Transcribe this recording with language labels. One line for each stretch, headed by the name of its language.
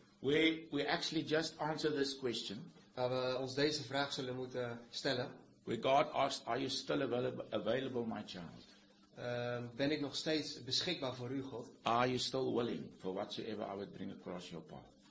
English: We actually just answer this question.
Dutch: Waar we ons deze vraag zullen moeten stellen.
English: Where God asks, are you still available, my child?
Dutch: Ben ik nog steeds beschikbaar voor u, God?
English: Are you still willing for whatsoever I would bring across your path?